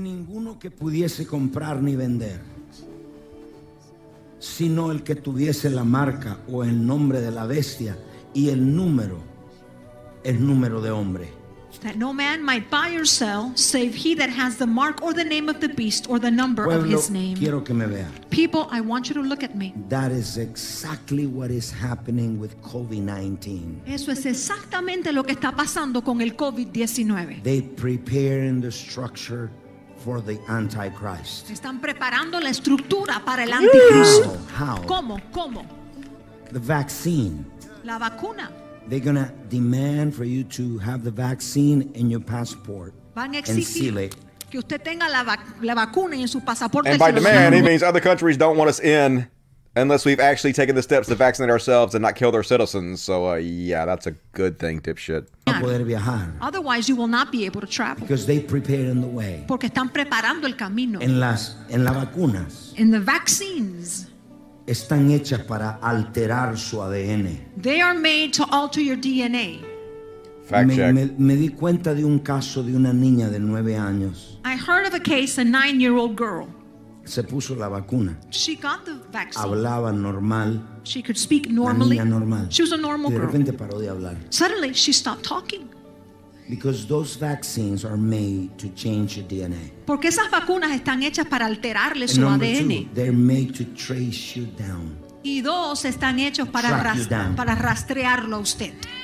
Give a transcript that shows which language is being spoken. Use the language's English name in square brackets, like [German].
[Spanish] Ninguno que pudiese comprar ni vender, sino el que tuviese la marca o el nombre de la bestia y el número de hombre. [English] That no man might buy or sell, save he that has the mark or the name of the beast or the number [Spanish] Pueblo, [English] of his name. [Spanish] Quiero que me vea. [English] People, I want you to look at me. That is exactly what is happening with COVID-19. [Spanish] Eso es exactamente lo que está pasando con el COVID-19. [English] They prepare in the structure for the Antichrist. [Spanish] Están preparando la estructura para el anticristo. [English] How? [Spanish] ¿Cómo? ¿Cómo? [English] The vaccine. [Spanish] La vacuna. [English] They're going to demand for you to have the vaccine in your passport and seal it. [Spanish] Que usted tenga la vacuna en su pasaporte. [English] And by demand, he means other countries don't want us in Unless we've actually taken the steps to vaccinate ourselves and not kill their citizens. So, yeah, that's a good thing, dipshit. Otherwise, you will not be able to travel. Because they prepared in the way. [Spanish] Porque están preparando el camino. En las vacunas. [English] In the vaccines. [Spanish] Están hechas para alterar su ADN. [English] They are made to alter your DNA. [Spanish] Me di cuenta de un caso de una niña de 9 años. [English] I heard of a case, a 9-year-old girl. [Spanish] Se puso la vacuna. [English] She got the vaccine. [Spanish] Hablaba normal. [English] She could speak normally. [Spanish] La niña normal. [English] She was a normal girl. [Spanish] De repente paró de hablar. [English] Suddenly she stopped talking. Because those vaccines are made to change your DNA. [Spanish] Porque esas vacunas están hechas para alterarle su ADN. [English] Number two, they're made to trace you down. [Spanish] Y dos, están hechos para rastrearlo a usted.